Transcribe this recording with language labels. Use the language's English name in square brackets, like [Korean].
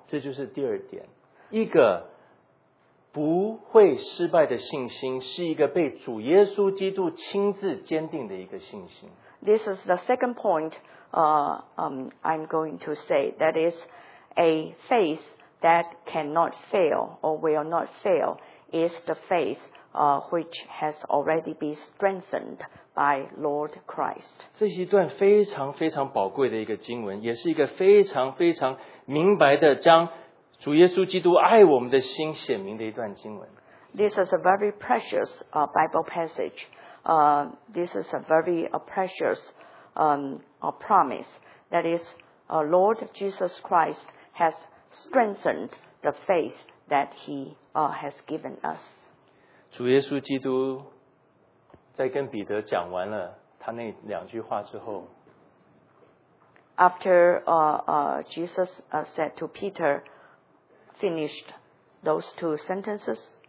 [Chinese] 这就是第二点，一个不会失败的信心是一个被主耶稣基督亲自坚定的一个信心。 [English] This is the second point I'm going to say. That is a faith that cannot fail or will not fail is the faith which has already been strengthened by Lord Christ. [Chinese] 这是一段非常非常宝贵的一个经文，也是一个非常非常明白的将主耶稣基督爱我们的心显明的一段经文。 [English] This is a very precious Bible passage. This is a very precious promise. That is, Lord Jesus Christ has strengthened the faith that he has given us. [Chinese] 主耶稣基督在跟彼得讲完了他那两句话之后 [English] After Jesus said to Peter, finished those two sentences,